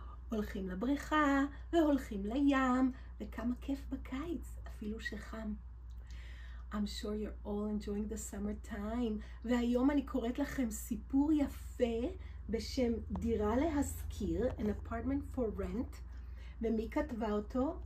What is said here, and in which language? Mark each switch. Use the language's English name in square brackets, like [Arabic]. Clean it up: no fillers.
[Hebrew] הולכים לבריכה והולכים לים, וכמה כיף בקיץ, אפילו שחם. [English] I'm sure you're all enjoying the summer time. [Hebrew] והיום אני קוראת לכם סיפור יפה בשם דירה להשכיר, [English] an apartment for rent, [Hebrew] ומי כתבה אותו?